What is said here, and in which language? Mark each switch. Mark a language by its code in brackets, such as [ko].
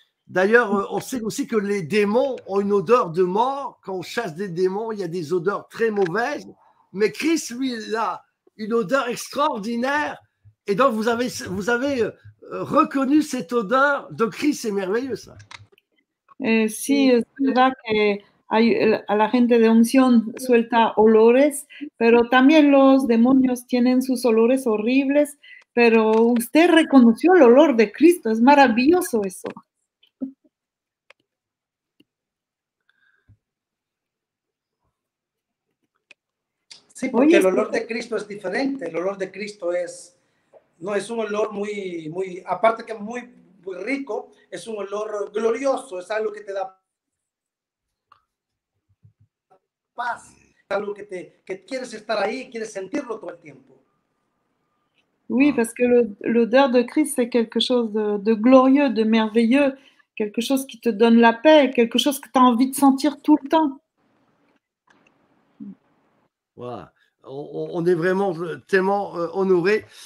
[fr] D'ailleurs, on sait aussi que les démons ont une odeur de mort. Quand on chasse des démons, il y a des odeurs très mauvaises. Mais Christ, lui, là, une odeur extraordinaire. Et donc, vous avez reconnu cette odeur de Christ. C'est merveilleux, ça. [es] Si, c'est vrai que la gente de unción suelta olores, pero también los demonios tienen sus olores horribles, pero usted reconoció el olor de Cristo. Es maravilloso eso. Sí, porque oye, el olor de Cristo es diferente. El olor de Cristo es, no, es un olor muy, muy, aparte que muy, muy rico, es un olor glorioso, es algo que te da paz, es algo que te, que quieres estar ahí, quieres sentirlo todo el tiempo. [fr] Oui, parce que l'odeur de Christ c'est quelque chose de glorieux, de merveilleux, quelque chose qui te donne la paix, quelque chose que tu as envie de sentir tout le temps. Voilà, on est vraiment tellement honoré.